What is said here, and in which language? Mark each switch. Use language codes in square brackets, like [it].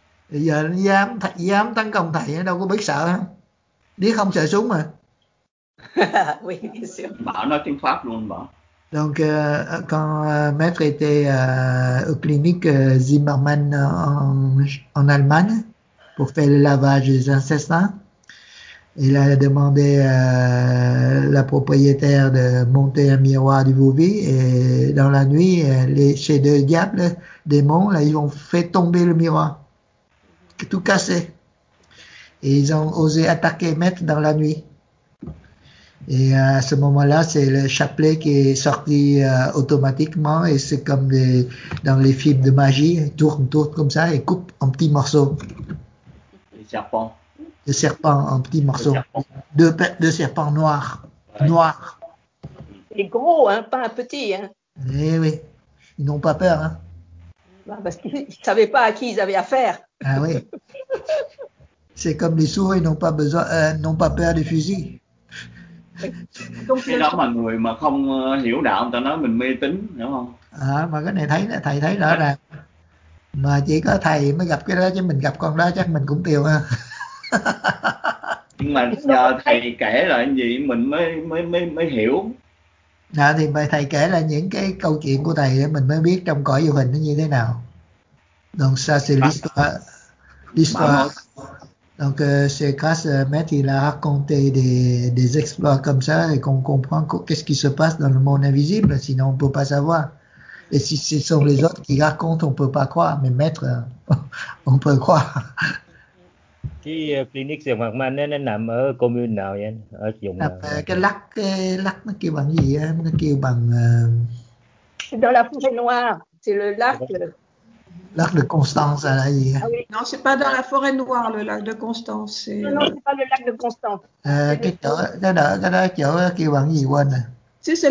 [vi] Bây giờ nó dám tấn công thầy, đâu có biết sợ không? Biết không sợ súng mà. Bảo nói tiếng Pháp luôn bảo. [fr] Donc, quand maître était au clinique Zimmermann en Allemagne pour faire le lavage des incestins, il a demandé à la propriétaire de monter un miroir du Vauvie et dans la nuit, chez deux diables, démons, là, ils ont fait tomber le miroir, tout cassé. Et ils ont osé attaquer maître dans la nuit. Et à ce moment-là, c'est le chapelet qui est sorti automatiquement et c'est comme dans les films de magie, tourne comme ça et coupe en petits morceaux. Le serpent en petits morceaux. Deux serpents noirs. Ouais. Noirs. Et gros, hein, pas un petit. Hein. Et oui, ils n'ont pas peur. Hein. Bah parce qu'ils ne savaient pas à qui ils avaient affaire. Ah oui. C'est comme les sourds, ils n'ont pas peur des fusils. [vi] Cái đó mà người mà không hiểu đạo, người ta nói mình mê tín, hiểu không? Mà cái này thấy, thầy thấy rõ ràng. Mà chỉ có thầy mới gặp cái đó, chứ mình gặp con đó chắc mình cũng tiêu ha. Nhưng mà giờ thầy kể lại gì mình mới hiểu. À, thì thầy kể lại những cái câu chuyện của thầy để mình mới biết trong cõi vô hình nó như thế nào. [fr] Donc ça c'est l'histoire. Donc c'est grâce à Maître, il a raconté des exploits comme ça et qu'on comprend qu'est-ce qui se passe dans le monde invisible, sinon on ne peut pas savoir. Et si ce sont les autres qui racontent, on ne peut pas croire, mais Maître, on peut croire. [vi] Cái clinic Diệp Hoàng Minh nó nằm ở commune nào vậy? Ở vùng cái lac nó kêu bằng gì á? Nó kêu bằng... [fr] Dans la forêt noire, c'est le lac. L'arc de Constance, là, il... Ah oui, non, c'est pas dans la forêt noire, le lac de Constance. C'est... Non, c'est pas le lac de Constance. C'est